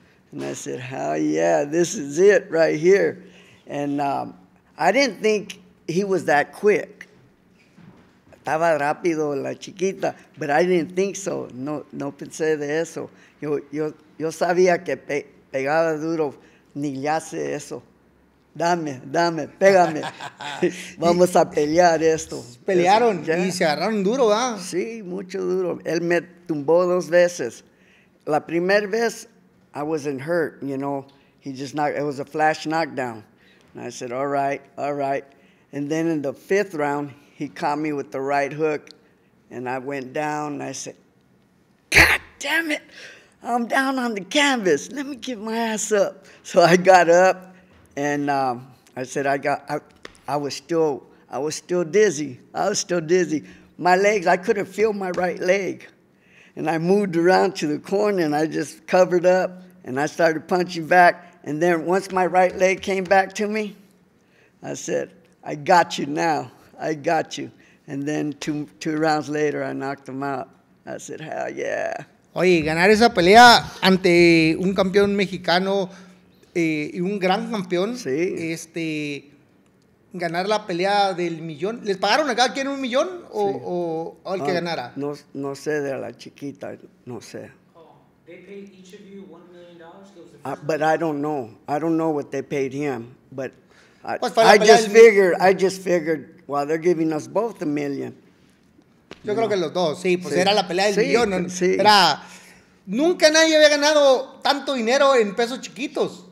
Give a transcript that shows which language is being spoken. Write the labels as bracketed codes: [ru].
[en] And I said, hell yeah, this is it right here. And I didn't think he was that quick. [es] Estaba rápido la chiquita, [en] but I didn't think so. [es] No pensé de eso. Yo sabía que pegaba duro, ni le hace eso. Dame, pégame. Vamos a pelear esto. Pelearon eso, yeah. Y se agarraron duro, ¿verdad? Sí, mucho duro. Él me tumbó dos veces. La primera vez, [en] I wasn't hurt, you know. He just knocked, it was a flash knockdown. And I said, all right. And then in the fifth round, he caught me with the right hook. And I went down and I said, God damn it. I'm down on the canvas. Let me get my ass up. So I got up, and I said, I was still dizzy. My legs, I couldn't feel my right leg. And I moved around to the corner, and I just covered up, and I started punching back. And then once my right leg came back to me, I said, I got you now. I got you. And then two rounds later, I knocked him out. I said, hell yeah. [es] Oye, ganar esa pelea ante un campeón mexicano y un gran campeón, sí. Ganar la pelea del millón, ¿les pagaron a cada quien un millón o, sí. o el que ganara? No sé de la chiquita, no sé. [en] Oh, they paid each of you $1 million? But I don't know what they paid him, but I just figured, well, they're giving us both $1 million. [es] Yo no. Creo que los dos, sí, pues sí. Era la pelea del sí, millón. Sí. Era, nunca nadie había ganado tanto dinero en pesos chiquitos.